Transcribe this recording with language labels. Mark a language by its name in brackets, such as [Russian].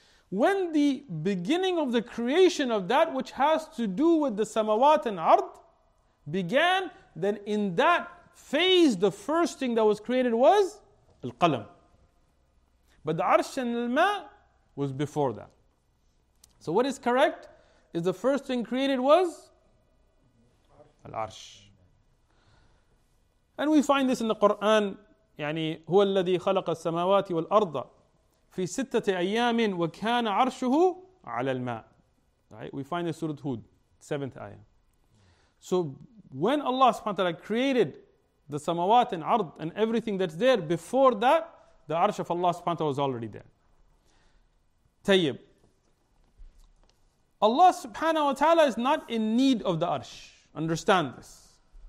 [English] When the beginning of the creation of that which has to do with the samawat and ard began, then in that phase, the first thing that was created was al-qalam. But the arsh and al-ma was before that. So what is correct is the first thing created was العرش. And we find this in the Quran, [Arabic] يعني هو الذي خلق السماوات والأرض في ستة أيام وكان عرشه على الماء. [English] Right? We find this Surah Hud, 7th ayah. So when Allah subhanahu wa ta'ala created the samawat and ard and everything that's there, before that, the arsh of Allah subhanahu wa ta'ala was already there. [Arabic] طيب. [English] Allah subhanahu wa ta'ala is not in need of the arsh. Understand this.